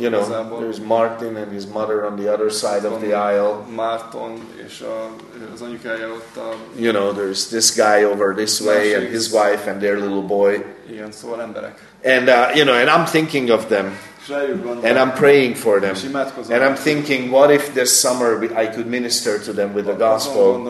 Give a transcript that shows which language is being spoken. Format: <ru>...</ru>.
<en>You know, there's Martin and his mother on the other side of the aisle.</en> <hu>Márton és az anyukája ott a...</hu> <en>You know, there's this guy over this way and his wife and their little boy.</en> <hu>Igen, szóval emberek.</hu> <en>And, you know, and I'm thinking of them. And I'm praying for them. And I'm thinking, what if this summer I could minister to them with the gospel?</en>